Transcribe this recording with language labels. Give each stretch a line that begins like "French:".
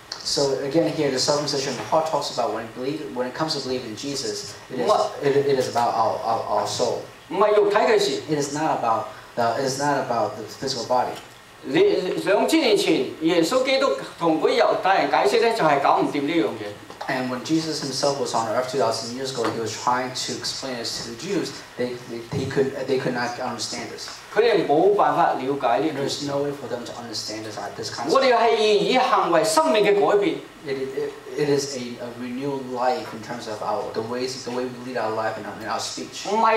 English: So again here, the circumcision of the heart talks about when it comes to believing in Jesus, it is about our soul.
Chinese: 不是肉体的事。
English: It is not about the physical body.
Chinese: 2000年前,耶稣基督跟犹太人解释,就是搞不定这件事。
English: And when Jesus himself was on earth 2,000 years ago, he was trying to explain this to the Jews. They could not understand this. There's no way for them to understand this at this concept. It is a renewed life in terms of the way we lead our life and our speech.